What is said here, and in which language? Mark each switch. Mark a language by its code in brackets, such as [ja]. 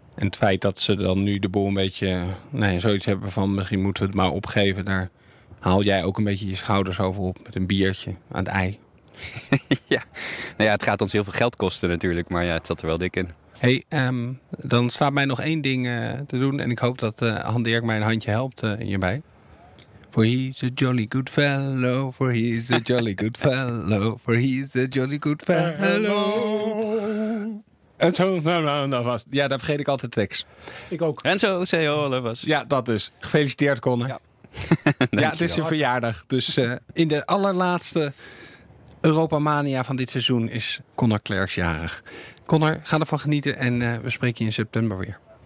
[nl] En het feit dat ze dan nu de boel een beetje zoiets hebben van misschien moeten we het maar opgeven. Daar haal jij ook een beetje je schouders over op met een biertje aan het ei. Ja, nou ja, het gaat ons heel veel geld kosten natuurlijk, maar ja, het zat er wel dik in. Hey, dan staat mij nog één ding te doen en ik hoop dat Han-Dirk mij een handje helpt hierbij. [en] For he's a jolly good fellow, for he's a jolly good fellow, for he's a jolly good fellow. [nl] En zo, nou was. Ja, daar vergeet ik altijd de tekst. Ik ook. En zo, [en] say all of us. [nl] Ja, dat dus. Gefeliciteerd, Connor. Ja, Ja, het is een verjaardag. Dus in de allerlaatste Europamania van dit seizoen is Conor Clerks jarig. Conor, ga ervan genieten en we spreken je in september weer.